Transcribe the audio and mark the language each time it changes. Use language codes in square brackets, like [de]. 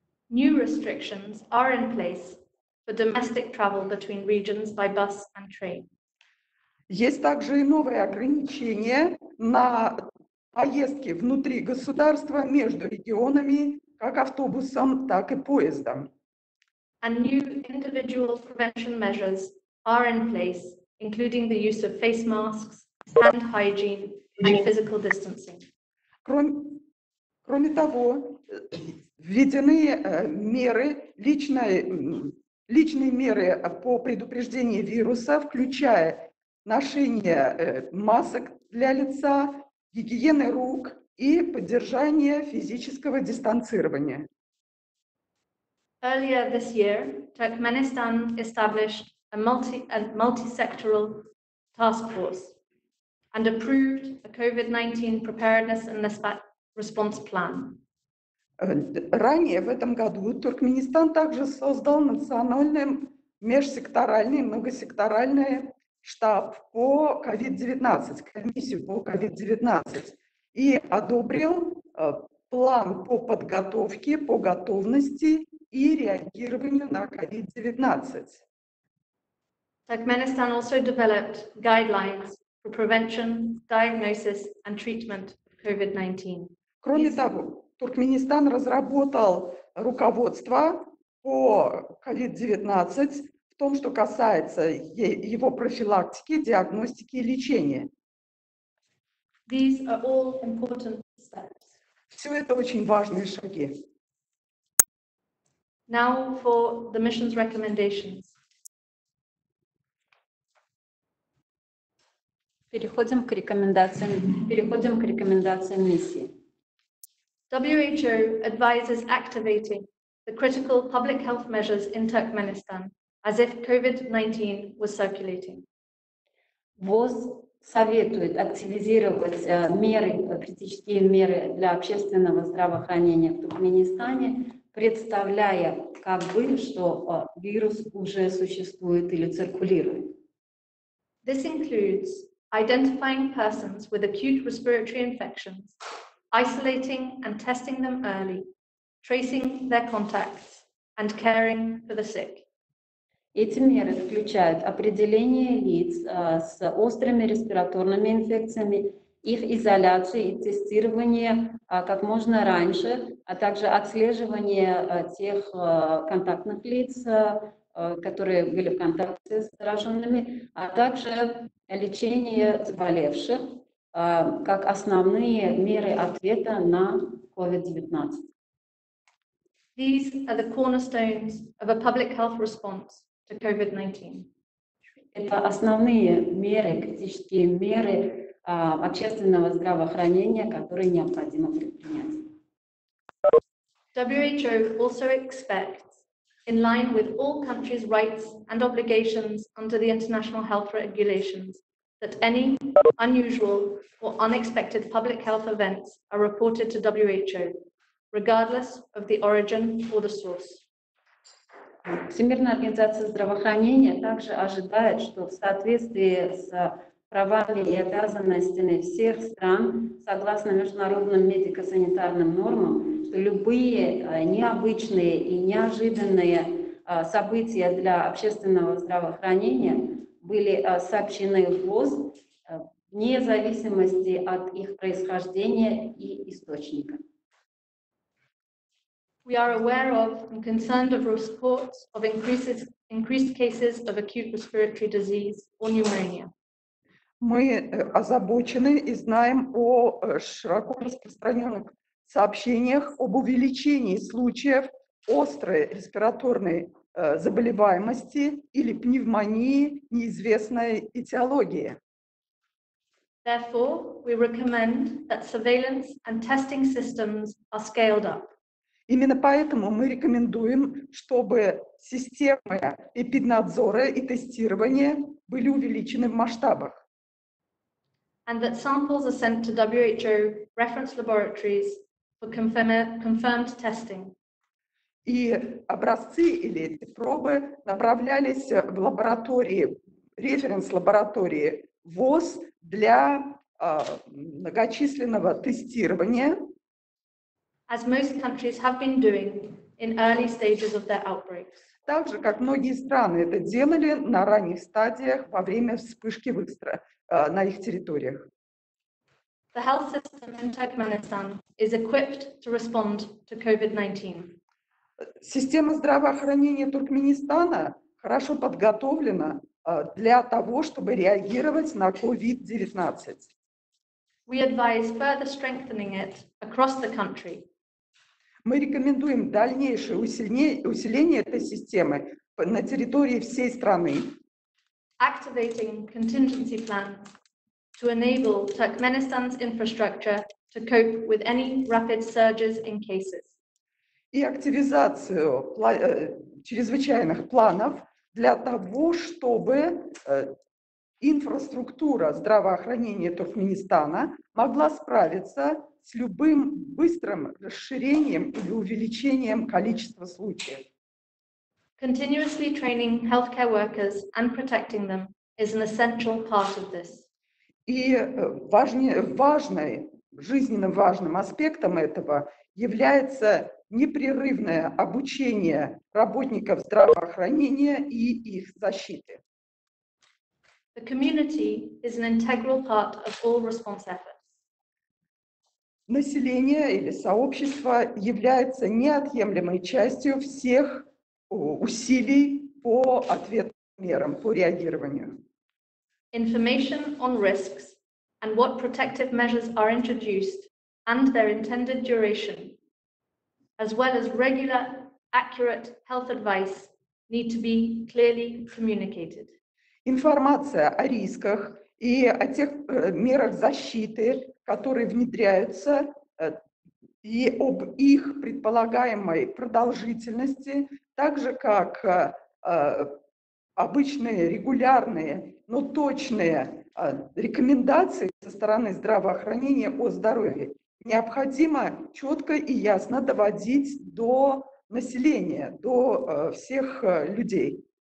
[en] New restrictions are in place for domestic travel between regions by bus and train. [ru] Есть также и новые ограничения на поездки внутри государства между регионами, как автобусом, так и поездом. [en] And new individual prevention measures are in place, including the use of face masks, hand hygiene and physical distancing. [ru] Кроме того, введены меры, личные меры по предупреждению вируса, включая ношение масок для лица, гигиены рук и поддержание физического дистанцирования. [en] Earlier this year, Turkmenistan established a multi-sectoral task force and approved a COVID-19 preparedness and response plan. [ru] Ранее в этом году Туркменистан также создал национальный межсекторальный многосекторальный штаб по COVID-19, комиссию по COVID-19 и одобрил план по подготовке, по готовности и реагированию на COVID-19. [en] Turkmenistan also developed guidelines for prevention, diagnosis and treatment of COVID-19. [ru] Кроме того, Туркменистан разработал руководство по COVID-19 в том, что касается его профилактики, диагностики и лечения. [en] These are all important steps. [ru] Все это очень важные шаги. [en] Now for the mission's recommendations. [ru] Переходим к рекомендациям миссии. [en] WHO advises activating the critical public health measures in Turkmenistan as if COVID-19 was circulating. [ru] ВОЗ советует активизировать критические меры для общественного здравоохранения в Туркменистане, представляя как бы, что вирус уже существует или циркулирует. [en] This includes identifying persons with acute respiratory infections, isolating and testing them early, tracing their contacts and caring for the sick. [ru] Эти меры включают определение лиц с острыми респираторными инфекциями, их изоляции и тестирование как можно раньше, а также отслеживание тех контактных лиц, которые были в контакте с зараженными, а также лечение заболевших как основные меры ответа на COVID-19. [en] These are the cornerstones of a public health response to COVID-19. [ru] Это основные меры, критические меры общественного здравоохранения, которые необходимо предпринять. [en] WHO also expects, in line with all countries' rights and obligations under the international health regulations, that any unusual or unexpected public health events are reported to WHO, regardless of the origin or the source. [ru] Всемирная организация здравоохранения также ожидает, что в соответствии с правами и обязанностями всех стран, согласно международным медико-санитарным нормам, что любые необычные и неожиданные события для общественного здравоохранения были сообщены в ВОЗ вне зависимости от их происхождения и источника. [en] We are aware of and concerned of reports of increased cases of acute respiratory disease or pneumonia. [ru] Мы озабочены и знаем о широко распространенных сообщениях об увеличении случаев острой респираторной заболеваемости или пневмонии неизвестной этиологии. [en] Therefore, we recommend that surveillance and testing systems are scaled up. [ru] Именно поэтому мы рекомендуем, чтобы системы эпиднадзора и тестирования были увеличены в масштабах. [en] And that samples are sent to WHO reference laboratories for confirmed testing. [ru] И образцы или пробы направлялись в лаборатории, референс-лаборатории ВОЗ для многочисленного тестирования. [en] As most countries have been doing in early stages of their outbreaks. [ru] Так же, как многие страны это делали на ранних стадиях во время вспышки выстрела на их территориях. [en] The health system in Turkmenistan is equipped to respond to COVID-19. [ru] Система здравоохранения Туркменистана хорошо подготовлена для того, чтобы реагировать на COVID-19. [en] We advise further strengthening it across the country. [ru] Мы рекомендуем дальнейшее усиление этой системы на территории всей страны. [en] Activating contingency plans to enable Turkmenistan's infrastructure to cope with any rapid surges in cases. [ru] И активизацию чрезвычайных планов для того, чтобы инфраструктура здравоохранения Туркменистана могла справиться с любым быстрым расширением или увеличением количества случаев. [en] Continuously training healthcare workers and protecting them is an essential part of this. [ru] И важным, жизненно важным аспектом этого является непрерывное обучение работников здравоохранения и их защиты. [en] The community is an integral part of all response efforts. [ru] Население или сообщество является неотъемлемой частью всех усилий по ответным мерам, по реагированию. [en] Information on risks and what protective measures are introduced and their intended duration, as well as regular, accurate health advice, need to be clearly communicated. [ru] Информация о рисках и о тех мерах защиты, которые внедряются, и об их предполагаемой продолжительности, так же как обычные регулярные, но точные рекомендации со стороны здравоохранения о здоровье, необходимо четко и ясно доводить до населения, до всех людей.